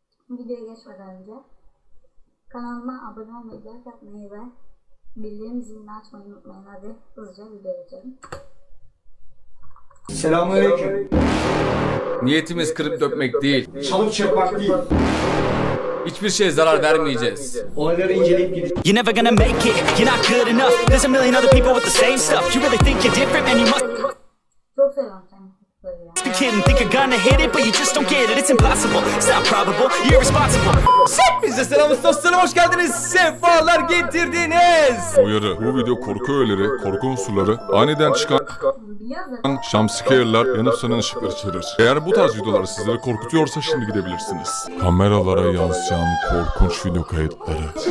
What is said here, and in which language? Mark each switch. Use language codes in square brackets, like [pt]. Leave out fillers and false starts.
[tr] Videoya geçmeden önce kanalıma abone olmayı, like atmayı ve bildirim zilini açmayı unutmayın. Hadi hızlıca videoya geçelim. Selamünaleyküm. Niyetimiz kırıp dökmek değil. Çalıp çırpmak değil. Hiçbir şeye zarar vermeyeceğiz. Olayları inceleyip gidip. [en] You're never gonna make it. You're not good enough. There's a million other people with the same stuff. You really think you're different and you must. [tr] Çok seviyorum seni. [en] Just kidding. Think you're gonna hit it but you just don't get it. It's impossible. It's not probable. You're irresponsible. [tr] Sen bize selamı dostlara hoş geldiniz. Sefalar getirdiniz. Uyarı. Bu video korku öğeleri, korku unsurları, aniden çıkan... Jumpscare'lar yanıp sönen ışıkları içerir. Eğer bu tarz videolar sizleri korkutuyorsa şimdi gidebilirsiniz. Kameralara yansıyan korkunç video kayıtları.